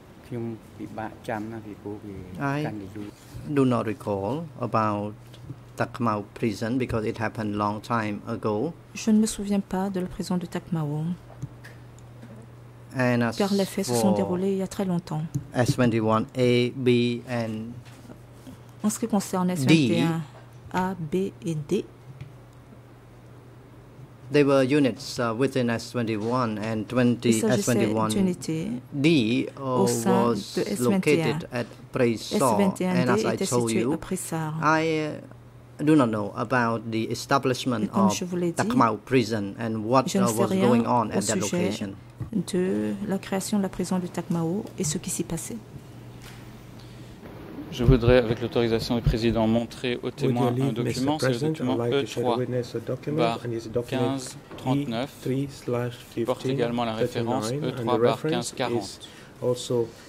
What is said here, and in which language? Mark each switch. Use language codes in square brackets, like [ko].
[en] I do not recall about Takmao prison because it happened long time ago. [fr] Je ne me souviens pas de la prison de Takmao. [en] And as [fr] car les faits se sont déroulés il y a très longtemps. [en] S21 A, B and [fr] en ce qui concerne S21 A, B et D, [en] they were units within S21 and S21 D was located at Prisar. And as I told you, I do not know about the establishment of Dakmau prison and what was going on at that location. [fr] De la création de la prison de Takmao et ce qui s'y passait. Je voudrais, avec l'autorisation du président, montrer au témoin un document. C'est le document E3/1539 qui porte également la référence E3/1540.